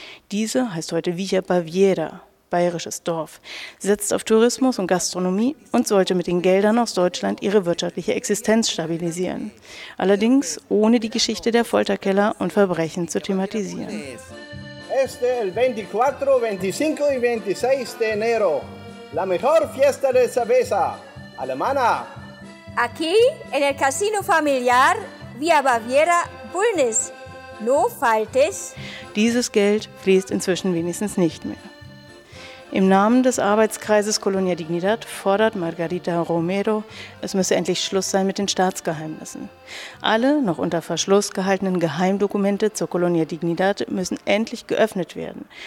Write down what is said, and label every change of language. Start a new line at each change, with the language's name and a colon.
German: Diese heißt heute Villa Baviera, bayerisches Dorf, setzt auf Tourismus und Gastronomie und sollte mit den Geldern aus Deutschland ihre wirtschaftliche Existenz stabilisieren. Allerdings ohne die Geschichte der Folterkeller und Verbrechen zu thematisieren.
Spanish: Hey, este el 24, 25 y 26 de enero. La mejor fiesta de cerveza alemana. Aquí, en el Casino Familiar, Vía Baviera, Bulnes. No faltes.
German: Dieses Geld fließt inzwischen wenigstens nicht mehr. Im Namen des Arbeitskreises Colonia Dignidad fordert Margarita Romero, es müsse endlich Schluss sein mit den Staatsgeheimnissen. Alle noch unter Verschluss gehaltenen Geheimdokumente zur Colonia Dignidad müssen endlich geöffnet werden.